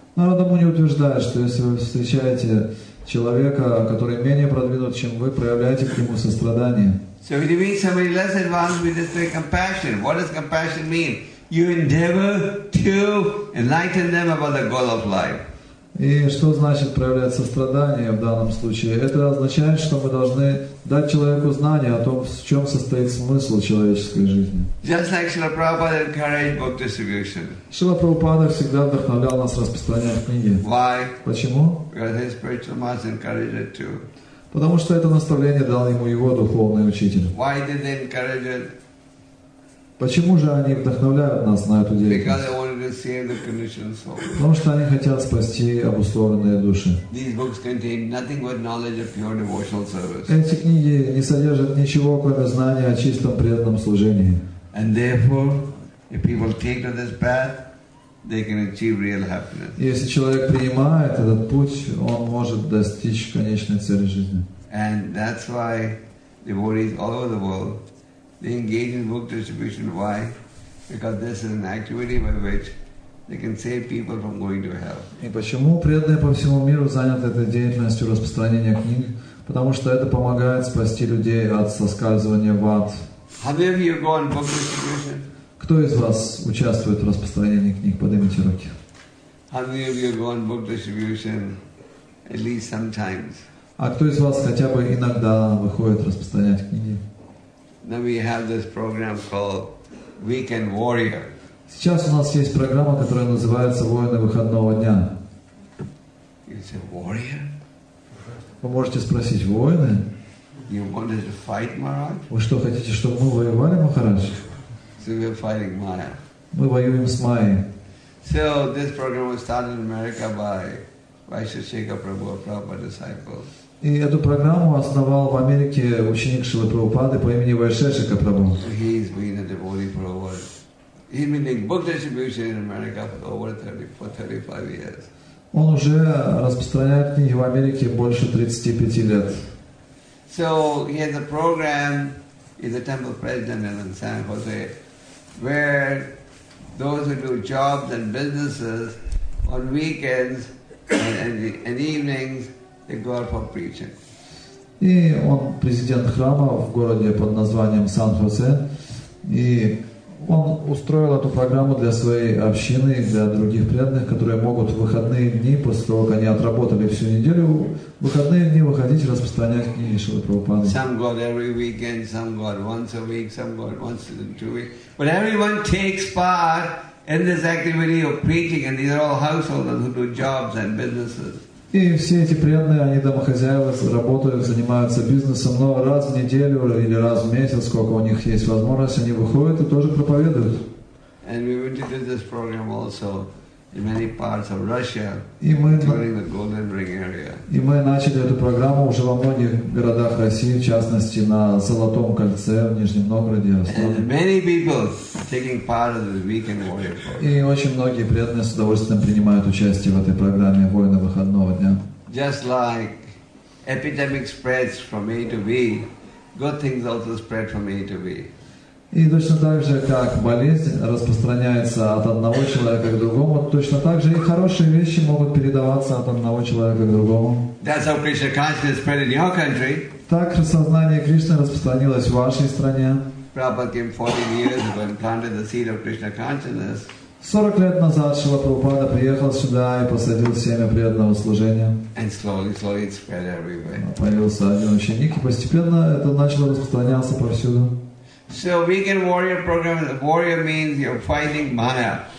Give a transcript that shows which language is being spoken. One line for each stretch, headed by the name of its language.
Russian: Narada Muni утверждает, что если вы встречаете человека, который менее продвинут, чем вы, проявляйте к нему сострадание.
English: So if you meet somebody less advanced, we display compassion. What does compassion mean? You endeavor to enlighten them about the goal of life.
Russian: И что значит проявлять сострадание в данном случае? Это означает, что мы должны дать человеку знание о том, в чем состоит смысл человеческой жизни.
English: Just like Srila Prabhupada encouraged book distribution.
Russian: Srila Prabhupada всегда вдохновлял нас распространять книги.
English: Why?
Russian: Почему?
English: Because his spiritual master encouraged it too.
Russian: Потому что это наставление дал ему его духовный учитель.
English: Why did they encourage it?
Russian: Почему же они вдохновляют нас на эту деятельность?
English: Because they wanted to save the conditioned souls.
Russian: Потому что они хотят спасти обусловленные души.
English: These books contain nothing but knowledge of pure devotional service.
Russian: Эти книги не содержат ничего, кроме знания о чистом преданном служении.
English: And therefore, if people take to this path, they can achieve real happiness.
Russian: Если человек принимает этот путь, он может достичь конечной цели жизни.
English: And that's why devotees all over the world, they engage in book distribution. Why? Because this is an activity by which they can save people from going to hell.
Russian: И почему преданные по всему миру заняты этой деятельностью распространения книг? Потому что это помогает спасти людей от соскальзывания в ад.
English: Have you ever gone book distribution?
Russian: Кто из вас участвует в распространении книг? Поднимите руки.
English: Have you ever gone book distribution at least sometimes?
Russian: А кто из вас хотя бы иногда выходит распространять книги?
English: Then we have this program called Weekend Warrior.
Russian: Сейчас у нас есть программа, которая называется «Воины выходного дня».
English: You say warrior?
Russian: Вы можете спросить, воины?
English: You wanted to fight Maharaj?
Russian: Вы что хотите, чтобы мы воевали, Махарадж?
English: So we are fighting Maya.
Russian: Мы воюем с Майей.
English: So this program was started in America by Vaisheshika Prabhu, Prabhupada disciples.
Russian: И эту программу основал в Америке ученик Шрилы Прабхупады по имени Вайшешика Прабху.
English: He's been a devotee for over, he's been doing book distribution in America for over 35 years.
Russian: Он уже распространяет книги в Америке больше 35 лет.
English: So he has a program in the temple president in San Jose, where those who do jobs and businesses on weekends and evenings, they go out for preaching.
Russian: И он президент храма в городе под названием Сан-Хосе, и он устроил эту программу для своей общины и для других преданных, которые могут в выходные дни, после того, как они отработали всю неделю, в выходные дни выходить и распространять книги Шрилы Прабхупады.
English: Some go every weekend, some go once a week, some go once in 2 weeks. But everyone takes part in this activity of preaching, and these are all householders who do jobs and businesses.
Russian: И все эти преданные, они домохозяева, работают, занимаются бизнесом, но раз в неделю или раз в месяц, сколько у них есть возможность, они выходят и тоже проповедуют.
English: And we will do this program also in many parts of Russia, including the Golden Ring area.
Russian: И мы начали эту программу уже во многих городах России, в частности на Золотом кольце в Нижнем Новгороде.
English: And many people taking part of the Weekend Warrior program.
Russian: И очень многие преданные с удовольствием принимают участие в этой программе «Воины выходного дня».
English: Just like epidemic spreads from A to B, good things also spread from A to B.
Russian: И точно так же, как болезнь распространяется от одного человека к другому, точно так же и хорошие вещи могут передаваться от одного человека к другому.
English: That's how Krishna consciousness spread in your country.
Russian: Так сознание Кришны распространилось в вашей стране.
English: Prabhupada came 14 years ago and planted the seed of Krishna consciousness.
Russian: 40 лет назад Шрила Прабхупада приехал сюда и посадил семя преданного служения.
English: And slowly it spread everywhere.
Russian: Появился один ученик, и постепенно это начало распространяться повсюду.
English: So vegan warrior program, warrior means you're fighting Maya.